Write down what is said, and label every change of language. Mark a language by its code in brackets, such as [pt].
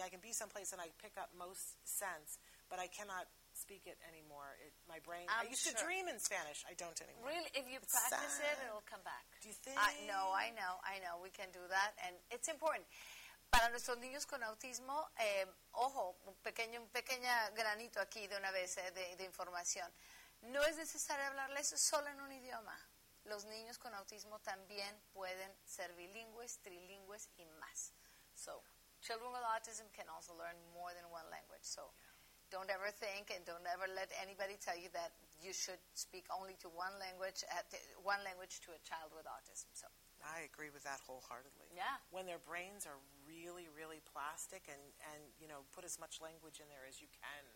[en] I can be someplace and I pick up most sense, but I cannot speak it anymore. My brain, I'm I used to dream in Spanish. I don't anymore. Really? If you practice it, it'll come back. Do you think? I know. We can do that. And it's important. [es] Para nuestros niños con autismo, ojo, un pequeño granito aquí de una vez de información. No es necesario hablarles solo en un idioma. Los niños con autismo también pueden ser bilingües, trilingües y más. [en] So, children with autism can also learn more than one language. So, don't ever think and don't ever let anybody tell you that you should speak only to one language to a child with autism. So, I agree with that wholeheartedly. Yeah. When their brains are really, really plastic and you know, put as much language in there as you can.